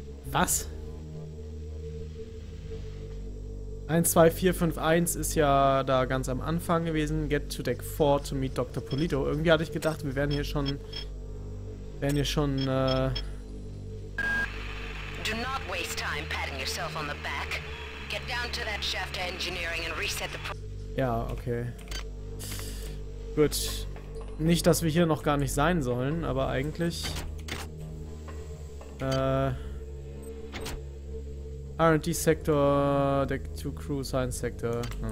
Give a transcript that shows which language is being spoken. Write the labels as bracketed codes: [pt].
[de] Was? 1, 2, 4, 5, 1 ist ja da ganz am Anfang gewesen. [en] Get to Deck 4 to meet Dr. Polito. [de] Irgendwie hatte ich gedacht, wir wären hier schon... [en] Do not waste time patting yourself on the back. Get down to that shaft engineering and reset the pro- [de] Ja, okay. Gut. Nicht, dass wir hier noch gar nicht sein sollen, aber eigentlich... R&D Sektor, Deck 2 Crew Science Sektor.